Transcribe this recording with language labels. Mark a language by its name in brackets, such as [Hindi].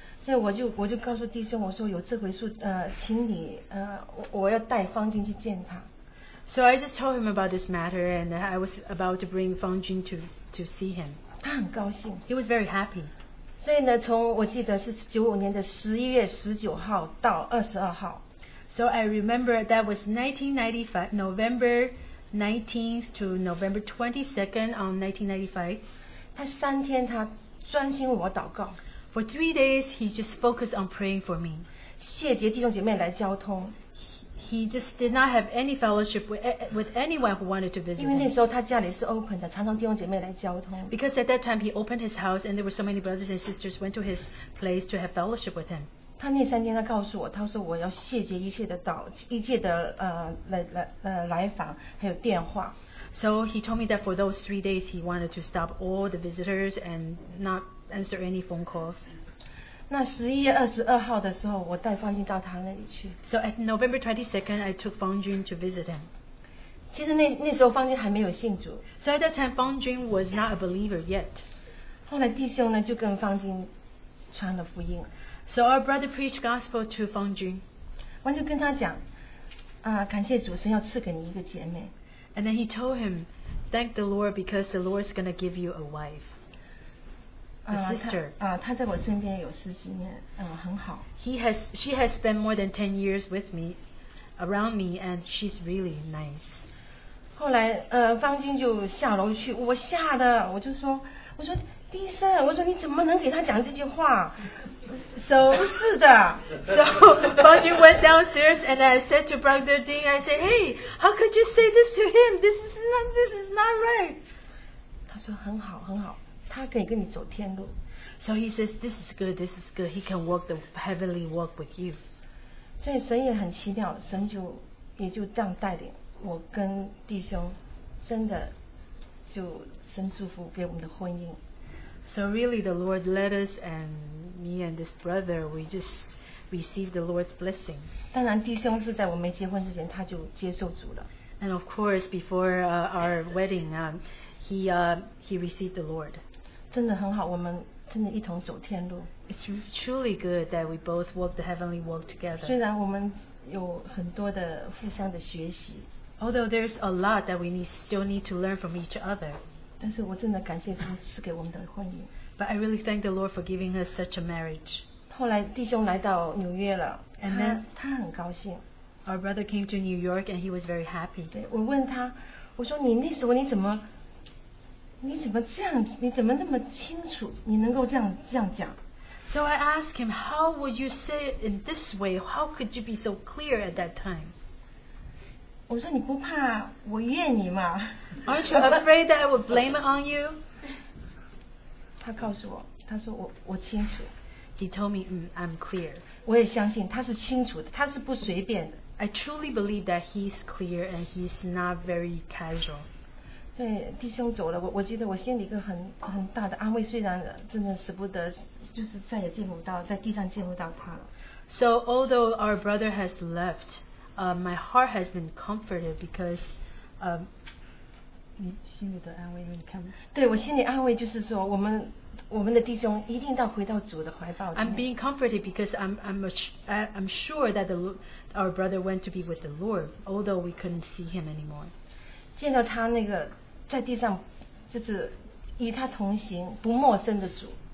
[Chinese] 所以我就告诉弟兄, 我说有这回事, 请你, 我要带方军去见他。 [English] So I just told him about this matter, and I was about to bring Fang Jun to see him. [Chinese] 他很高兴, [English] he was very happy. [Chinese] 所以呢, 从我记得是95年的11月19号到22号, [English] so I remember that was 1995, November 19th to November 22nd on 1995. [Chinese] 他三天他专心为我祷告, [English] for 3 days he just focused on praying for me. [Chinese] 谢绝弟兄姐妹来交通, [English] he just did not have any fellowship with anyone who wanted to visit him. [Chinese] 因为那时候他家里是open的, 常常弟兄姐妹来交通, [English] because at that time he opened his house and there were so many brothers and sisters went to his place to have fellowship with him. [Chinese] 他那三天他告诉我, 他说我要谢绝一切的道, 一切的, 来访, 还有电话, [English] so he told me that for those 3 days he wanted to stop all the visitors and not answer any phone calls. [Chinese] 那11月22号的时候, 我带方军到他那里去, [English] so at November 22nd I took Fang Jun to visit him. [Chinese] 其实那时候方军还没有信主, [English] so at that time Fang Jun was not a believer yet. [Chinese] 后来弟兄呢就跟方军传了福音, [English] so our brother preached gospel to Fang Jun. [Chinese] 方军跟他讲, 感谢主神要赐给你一个姐妹, [English] and then he told him, thank the Lord because the Lord is going to give you a wife, a sister. [Chinese] 她在我身边有十几年,很好, [English] she has spent more than 10 years with me, around me, and she's really nice. [Chinese] 后来, 方军就下楼去, 我吓得, 我就说, 我说, 弟兄, 我说你怎么能给他讲这句话, [English] so, [Chinese] 不是的, [English] so Fang Jun went downstairs and I said to Brother Ding, I said, hey, how could you say this to him? This is not right. [Chinese] 他说很好很好, 他可以跟你走天路, [English] so he says, this is good, this is good, he can walk the heavenly walk with you. [Chinese] 所以神也很奇妙，神就也就这样带领我跟弟兄，真的就神祝福给我们的婚姻。 [English] So really, the Lord led us, and me and this brother, we just received the Lord's blessing. [Chinese] 当然，弟兄是在我没结婚之前他就接受主了。 [English] And of course, before our wedding, he received the Lord. [Chinese] 真的很好，我们真的一同走天路。 [English] It's truly good that we both walk the heavenly walk together. [Chinese] 虽然我们有很多的互相的学习。 [English] Although there's a lot that we still need to learn from each other. [Chinese] 但是我真的感谢主赐给我们的婚姻。 [English] But I really thank the Lord for giving us such a marriage. [Chinese] 后来弟兄来到纽约了。 [English] And then [Chinese] 他很高兴。 [English] Our brother came to New York and he was very happy. [Chinese] 对，我问他，我说你那时候你怎么这么清楚？你能够这样讲？ [English] So I asked him, how would you say it in this way? How could you be so clear at that time? [Chinese] 我说你不怕我怨你吗？ [English] Aren't you afraid that I would blame it on you? [Chinese] 他告诉我，他说我清楚。 [English] He told me, I'm clear. [Chinese] 我也相信他是清楚的，他是不随便的。 [English] I truly believe that he's clear and he's not very casual. [Chinese] 对，弟兄走了，我记得我心里一个很大的安慰，虽然真的舍不得。 [English] So although our brother has left, my heart has been comforted because, [Chinese] 你心里的安慰，你看。对，我心里安慰就是说，我们的弟兄一定要回到主的怀抱。 [English] I'm being comforted because I'm sure that our brother went to be with the Lord, although we couldn't see him anymore. [Chinese] 见到他那个在地上，就是与他同行不陌生的主。